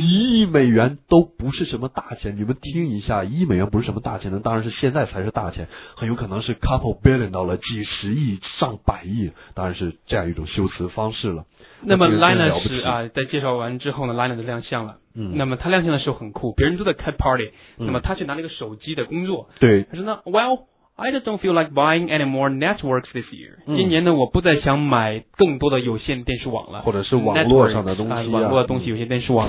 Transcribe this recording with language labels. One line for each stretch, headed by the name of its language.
Chinese: 一亿美元都不是什么大钱，你们听一下，一亿美元不是什么大钱的，当然是现在才是大钱，很有可能是
English: couple billion dollar，
Chinese: 几十亿、上百亿，当然是这样一种修辞方式了。那么 Lina 是啊，在介绍完之后呢 ，Lina 就亮相了。那么他亮相的时候很酷，别人都在开 party，那么他却拿了一个手机的工作。对，他说呢 ，Well。
English: I just don't feel like buying any more networks this year.
Chinese: 今年呢，我不再想买更多的有线电视网了，或者是网络上的东西啊，网络的东西，有线电视网